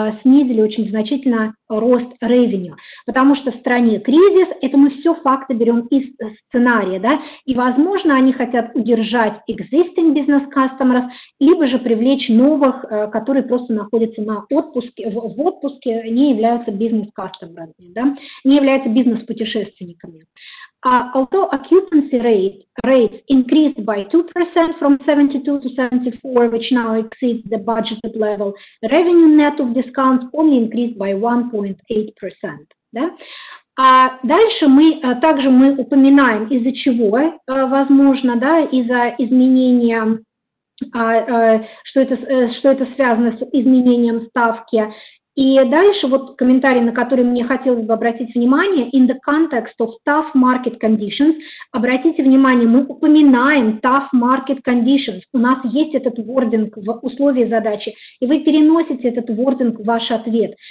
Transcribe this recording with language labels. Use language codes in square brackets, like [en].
[ru] снизили очень значительно рост ревеню, потому что в стране кризис, это мы все факты берем из сценария, да, и, возможно, они хотят удержать [en] existing business customers, [ru] либо же привлечь новых, которые просто находятся на отпуске, в отпуске, не являются бизнес-кастомерами. Да, не являются бизнес-путешественниками. [en] Although occupancy rates increased by 2% from 72 to 74, which now exceeds the budgeted level, revenue net of discounts only increased by 1.8%. [ru] Да? Дальше мы также мы упоминаем, из-за чего, возможно, да, из-за изменения, что это связано с изменением ставки. И дальше вот комментарий, на который мне хотелось бы обратить внимание, [en] in the context of tough market conditions, [ru] обратите внимание, мы упоминаем [en] tough market conditions, [ru] у нас есть этот wording в условии задачи, и вы переносите этот wording в ваш ответ.